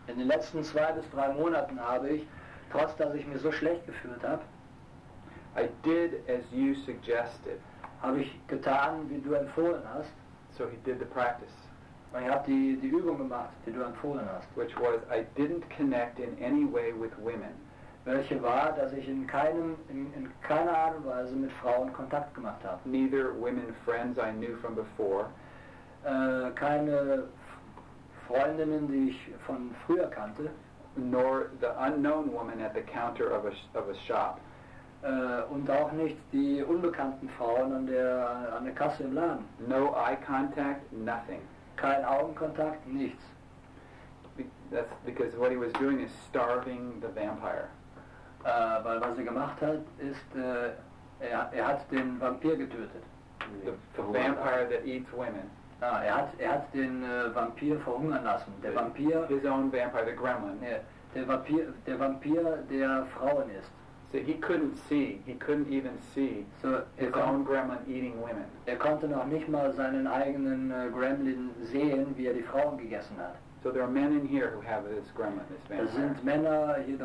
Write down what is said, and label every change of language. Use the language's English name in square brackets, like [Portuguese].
[German] In den letzten 2 bis 3 Monaten habe ich, trotz dass ich mir so schlecht gefühlt habe, [English] I did as you suggested. [German] Habe ich getan, wie du empfohlen hast. [English] So he did the practice. [German] Ich habe die Übung gemacht, die du empfohlen hast. [English] Which was, I didn't connect in any way with women. [German] Welche war, dass ich in keiner Art und Weise mit Frauen Kontakt gemacht habe. [English] Neither women friends I knew from before. [German] Keine Freundinnen, die ich von früher kannte. [English] Nor the unknown woman at the counter of a shop. [German] Und auch nicht die unbekannten Frauen an der Kasse im Laden. [English] No eye contact, nothing. [German] Kein Augenkontakt, nichts. [English] That's because what he was doing is starving the vampire. [German] Weil was er gemacht hat, ist, er hat den Vampir getötet. [English] The vampire that eats women. [German] Er hat den Vampir verhungern lassen. Der Vampir. [English] His own vampire, the gremlin. [German] Yeah, der Vampir, der Frauen isst. [English] So he couldn't see, he couldn't even see so his own gremlin eating women. [German] Er konnte noch nicht mal seinen eigenen Gremlin sehen, wie er die Frauen gegessen hat. [English] So there are men in here who have this gremlin, this vampire.